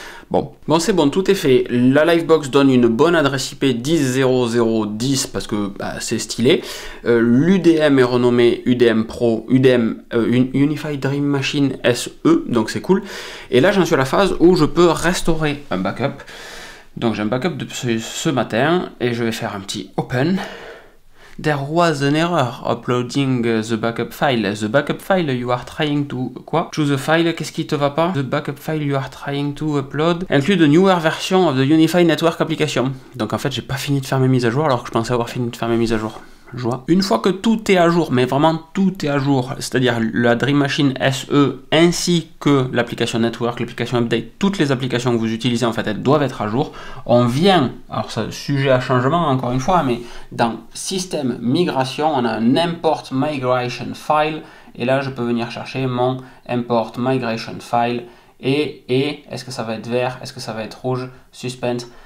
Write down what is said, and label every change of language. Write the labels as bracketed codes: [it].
[fr] Bon, c'est bon, tout est fait. La Livebox donne une bonne adresse IP 10.0.0.10 parce que c'est stylé. L'UDM est renommé UDM Pro, UDM Unified Dream Machine SE, donc c'est cool. Et là, j'en suis à la phase où je peux restaurer un backup. Donc j'ai un backup de ce matin et je vais faire un petit open. [en] There was an error uploading the backup file. The backup file you are trying to... [fr] Quoi? [en] Choose a file, [fr] qu'est-ce qui te va pas? [en] The backup file you are trying to upload include a newer version of the Unify Network application. [fr] Donc en fait, j'ai pas fini de faire mes mises à jour alors que je pensais avoir fini de faire mes mises à jour. Joie. Une fois que tout est à jour, mais vraiment tout est à jour, c'est-à-dire la Dream Machine SE ainsi que l'application Network, l'application Update, toutes les applications que vous utilisez, en fait, elles doivent être à jour. On vient, alors c'est sujet à changement encore une fois, mais dans Système Migration, on a un Import Migration File, et là je peux venir chercher mon Import Migration File, et est-ce que ça va être vert, est-ce que ça va être rouge, Suspense.